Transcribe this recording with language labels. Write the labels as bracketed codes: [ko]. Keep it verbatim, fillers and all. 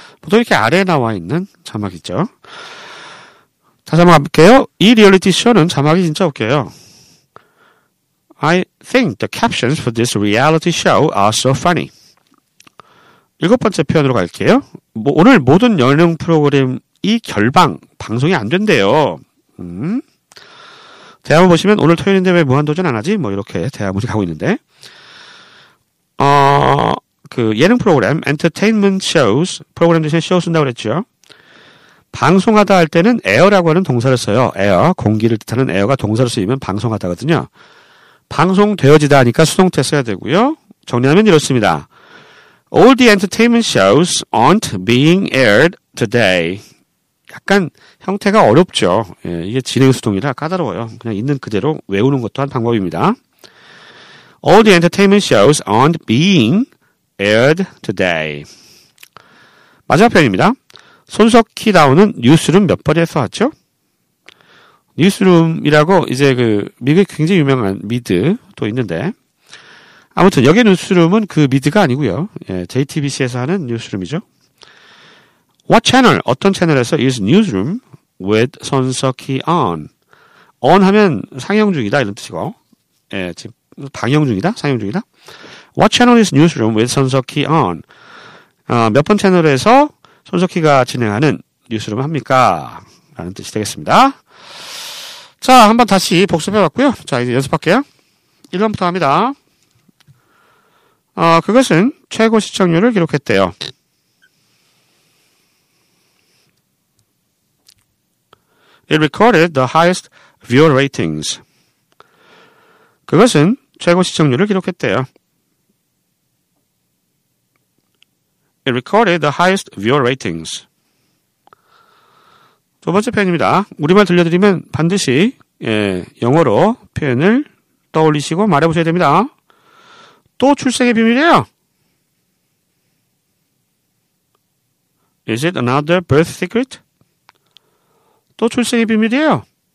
[ko] 보통 이렇게 아래에 나와 있는 자막이죠. 다시 한번 볼게요. 이 리얼리티 쇼는 자막이 진짜 웃겨요. [en] I think the captions for this reality show are so funny. [ko] 일곱 번째 표현으로 갈게요. 뭐, 오늘 모든 연령 프로그램 이 결방, 방송이 안 된대요. 음. 대화문 보시면 오늘 토요일인데 왜 무한도전 안 하지? 뭐 이렇게 대화문이 가고 있는데. 어, 그 예능 프로그램, [en] entertainment shows, [ko] 프로그램 대신 show 쓴다고 그랬죠. 방송하다 할 때는 air라고 하는 동사를 써요. air, 공기를 뜻하는 air가 동사를 쓰이면 방송하다거든요. 방송되어지다 하니까 수동태 써야 되고요. 정리하면 이렇습니다. [en] All the entertainment shows aren't being aired today. [ko] 약간 형태가 어렵죠. 예, 이게 진행수동이라 까다로워요. 그냥 있는 그대로 외우는 것도 한 방법입니다. [en] All the entertainment shows aren't being aired today. [ko] 마지막 편입니다. 손석희 나오는 뉴스룸 몇 번에서 왔죠? 뉴스룸이라고 이제 그 미국에 굉장히 유명한 미드도 있는데 아무튼 여기 뉴스룸은 그 미드가 아니고요. 예, 제이티비씨에서 하는 뉴스룸이죠. [en] What channel? [ko] 어떤 채널에서 [en] is newsroom with 손석희 on? [ko] on 하면 상영 중이다 이런 뜻이고 예, 지금 방영 중이다? 상영 중이다? [en] What channel is newsroom with 손석희 on? [ko] 어, 몇 번 채널에서 손석희가 진행하는 뉴스룸 합니까? 라는 뜻이 되겠습니다. 자, 한번 다시 복습해봤고요. 자, 이제 연습할게요. 일 번부터 합니다. 어, 그것은 최고 시청률을 기록했대요. [en] It recorded the highest viewer ratings. [ko] 그것은 최고 시청률을 기록했대요. [en] It recorded the highest viewer ratings. [ko] 두 번째 표현입니다. 우리말 들려드리면 반드시 예, 영어로 표현을 떠올리시고 말해보셔야 됩니다. 또 출생의 비밀이에요. [en] Is it another birth secret? [ko] 또 출생의 비밀이에요.